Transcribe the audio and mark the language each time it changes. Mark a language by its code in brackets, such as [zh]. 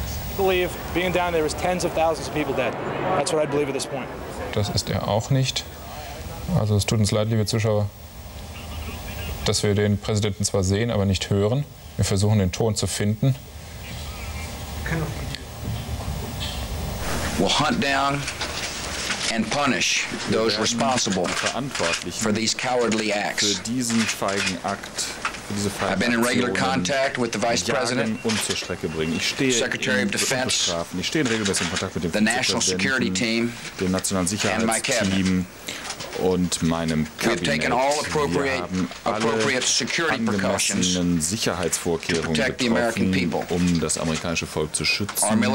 [de] Ich glaube, [en] being down there is tens of thousands of people dead. That's what I believe at this point. [de] Das ist er auch nicht. Also es tut uns leid, liebe Zuschauer, dass wir den Präsidenten zwar sehen, aber nicht hören. Wir versuchen, den Ton zu finden. [en] We'll hunt down and punish those responsible for these cowardly acts. [de] Für diesen feigen Akt, für diese feigen Akt. [en] I've been in regular contact with the Vice President. Secretary of Defense. [de] Ich stehe in regelmäßigem Kontakt mit dem National Security Team. Dem nationalen Sicherheitsteam. Und meinem Kabinett. Wir haben alle angemessenen Sicherheitsvorkehrungen getroffen, um das amerikanische Volk zu schützen.